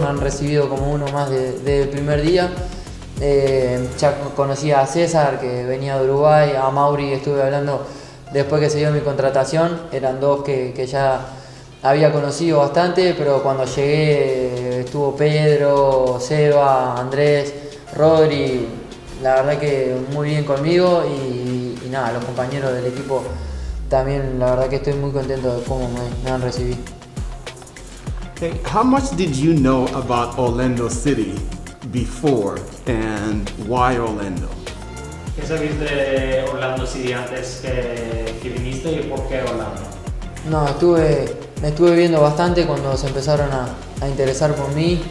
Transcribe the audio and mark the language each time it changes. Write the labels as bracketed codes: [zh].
[es] Me han recibido como uno más de primer día. Ya conocí a César, que venía de Uruguay, a Mauri estuve hablando después que se dio mi contratación, eran dos que ya había conocido bastante, pero cuando llegué estuvo Pedro, Seba, Andrés, Rodri, la verdad que muy bien conmigo y nada, los compañeros del equipo también, la verdad que estoy muy contento de cómo me han recibido. [en] Hey, how much did you know about Orlando City before, and why Orlando? [es] ¿Qué sabías de Orlando City antes que viniste y por qué Orlando? No, me estuve viendo bastante cuando se empezaron a interesar por mí.